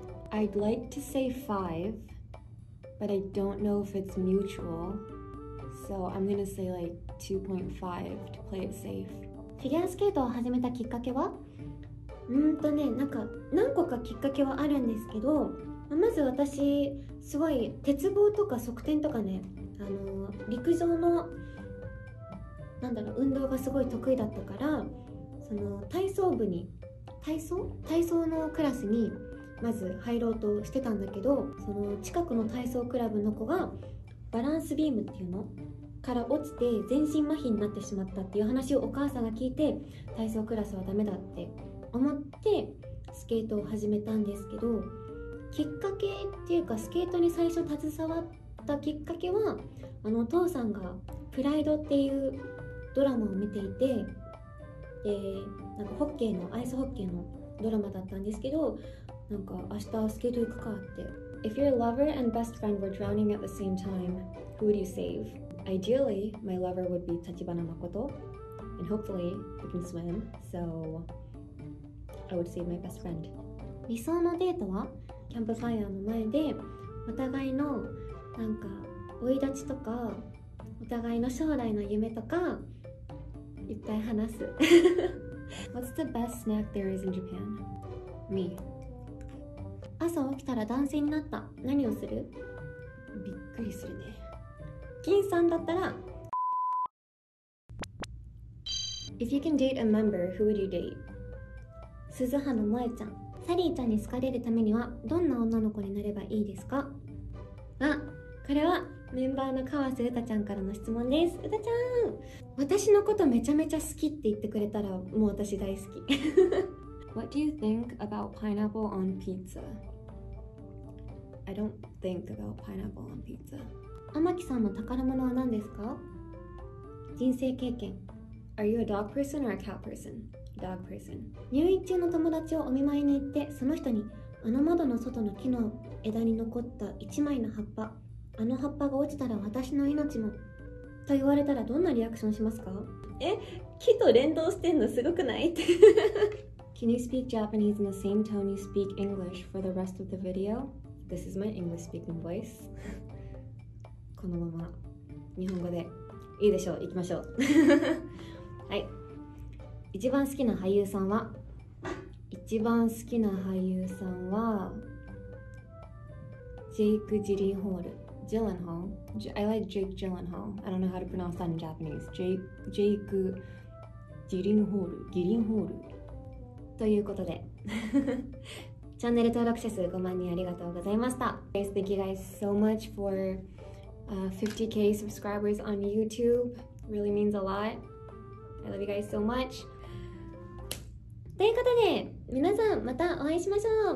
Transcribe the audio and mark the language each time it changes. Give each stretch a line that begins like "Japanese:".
English: I'd like to say 5, but I don't know if it's mutual, so I'm gonna say like 2.5 to play it safe.
Japanese: フィギュアスケートを始めたきっかけは？なんか何個かきっかけはあるんですけど、まず私すごい鉄棒とか側転とかね、陸上のなんだろう運動がすごい得意だったから、その体操部に体操のクラスにまず入ろうとしてたんだけど、その近くの体操クラブの子がバランスビームっていうのから落ちて全身麻痺になってしまったっていう話をお母さんが聞いて、体操クラスはダメだって思ってスケートを始めたんですけど、きっかけっていうかスケートに最初携わったきっかけは、あのお父さんがプライドっていうドラマを見ていて、でなんかホッケーのアイスホッケーのドラマだったんですけど、なんか明日スケート行くかって。
English: If your lover and best friend were drowning at the same time, who would you save? Ideally, my lover would be Tachibana Makoto, and hopefully we can swim, so I would save my best friend.
Japanese: 理想のデートはキャンプファイヤーの前でお互いのなんか生い立ちとかお互いの将来の夢とかいっぱい話す。
English: What's the best snack there is in Japan? Me.
Japanese: 朝起きたら男性になった。何をする？びっくりするね。金さんだったら。
English: If you can date a member, who would you date?
Japanese: 鈴葉の萌ちゃん。サリーちゃんに好かれるためにはどんな女の子になればいいですか？あ、これはメンバーの川瀬うたちゃんからの質問です。うたちゃん、私のことめちゃめちゃ好きって言ってくれたらもう私大好き。
English: What do you think about pineapple on pizza? I don't think about pineapple on pizza.
Japanese: 天木さんの宝物は何ですか？人生経験。
English: Are you a dog person or a cat person? Dog person.
Japanese: 入院中の友達をお見舞いに行って、その人にあの窓の外の木の枝に残った1枚の葉っぱ、あの葉っぱが落ちたら私の命もと言われたらどんなリアクションしますか？え、木と連動してんのすごくないって。
English: Can you speak Japanese in the same tone you speak English for the rest of the video? This is my English speaking voice.
Japanese: このまま日本語でいいでしょう、行きましょう。はい。一番好きな俳優さんは、一番好きな俳優さんはジェイク・ジリンホール。ジェレンホール
English: ？ I like Jake Gyllenhaal. I don't know how to pronounce that in Japanese.
Japanese: ジェイク・ ジリンホール。ギリンホール。ということで、チャンネル登録者数5万人ありがとうございました。
English: Thank you guys so much for 50k subscribers on YouTube. Really means a lot. I love you guys so much.
Japanese: ということで、皆さんまたお会いしましょう。